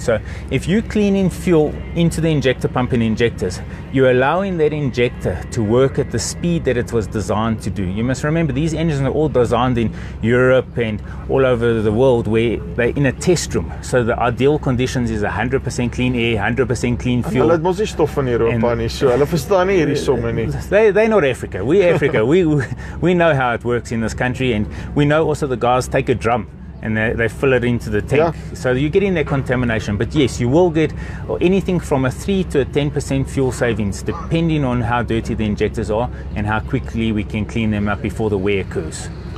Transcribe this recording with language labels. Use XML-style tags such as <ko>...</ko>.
<en>So if you're cleaning fuel into the injector pump and injectors, you're allowing that injector to work at the speed that it was designed to do. You must remember, these engines are all designed in Europe and all over the world, where they're in a test room. So the ideal conditions is 100% clean air, 100% clean fuel.</en> <af>Hulle het mos nie stof in Europa nie, so hulle verstaan nie hierdie somme nie.</af> <en>They're not Africa. We're Africa. We know how it works in this country. And we know also the guys take a drum and they fill it into the tank. Yeah. So you're getting that contamination. But yes, you will get anything from a 3 to a 10% fuel savings, depending on how dirty the injectors are and how quickly we can clean them up before the wear occurs.</en>